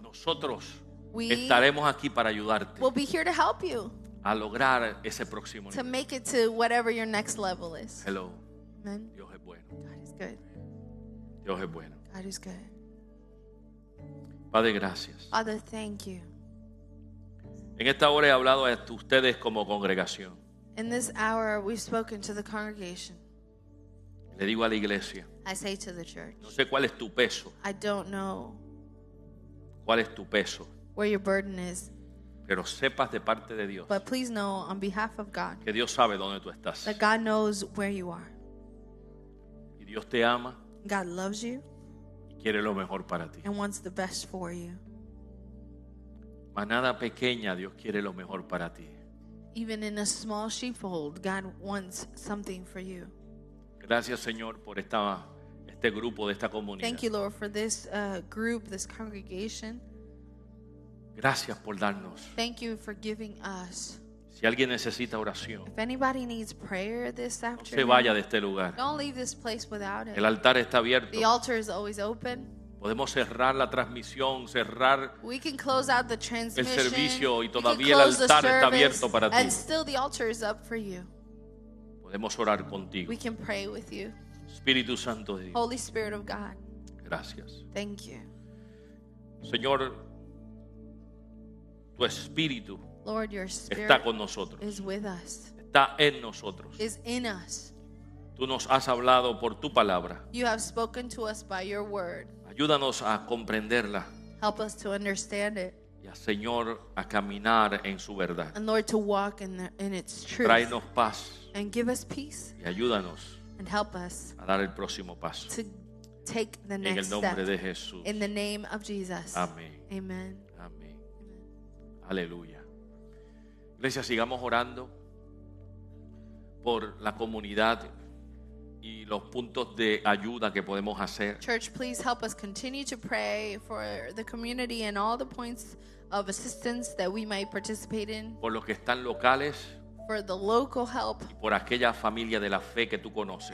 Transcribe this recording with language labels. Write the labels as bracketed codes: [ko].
[es] Nosotros estaremos aquí para ayudarte. [en] We'll be here to help you. [es] A lograr ese próximo [en] nivel. To make it to whatever your next level is. Hello. Amen. [es] Dios es bueno. [en] God is good. [es] Dios es bueno. [en] God is good. [es] Padre, gracias. [en] Father, thank you. [es] En esta hora he hablado a ustedes como congregación. [en] In this hour we've spoken to the congregation. [es] Le digo a la iglesia. [en] I say to the church. [es] No sé cuál es tu peso. [en] I don't know. [es] ¿Cuál es tu peso? [en] Where your burden is. [es] Pero sepas de parte de Dios. [en] But please know on behalf of God. [es] Que Dios sabe dónde tú estás. [en] That God knows where you are. [es] Y Dios te ama. [en] God loves you. [es] Y quiere lo mejor para ti. [en] And wants the best for you. [es] Manada pequeña, Dios quiere lo mejor para ti. [en] Even in a small sheepfold, God wants something for you. [es] Gracias, Señor, por este grupo de esta comunidad. [en] Thank you, Lord, for this group, this congregation. [es] Gracias por darnos. [en] Thank you for giving us. [es] Si alguien necesita oración, [en] if anybody needs prayer this afternoon, [es] no se vaya de este lugar. [en] Don't leave this place without it. [es] El altar está abierto. [en] The altar is always open. [es] Podemos cerrar la transmisión, cerrar [en] we can close out the transmission, [es] el servicio y todavía el altar está abierto para ti. [en] And still the altar is up for you. [es] Podemos orar contigo. [en] We can pray with you. [es] Espíritu Santo de Dios. [en] Holy Spirit of God. [es] Gracias. [en] Thank you. [es] Señor, tu espíritu, [en] Lord, your spirit [es] está con nosotros. [en] Is with us. [es] Está en nosotros. [en] Is in us. [es] Tú nos has hablado por tu palabra. [en] You have spoken to us by your word. [es] Ayúdanos a comprenderla. [en] Help us to understand it. [es] Y a Señor a caminar en su verdad. [en] And Lord to walk in its truth. [es] Tráenos paz. [en] And give us peace. [es] Y ayúdanos. [en] And help us. [es] A dar el próximo paso. [en] To take the next step. [es] En el nombre de Jesús. [en] In the name of Jesus. [es] Amén. [en] Amen. [es] Amén. Aleluya. Iglesia, sigamos orando por la comunidad y los puntos de ayuda que podemos hacer. [en] Church, please help us continue to pray for the community and all the points of assistance that we might participate in. [es] Por los que están locales. [en] For the local help. [es] Y por aquella familia de la fe que tú conoces.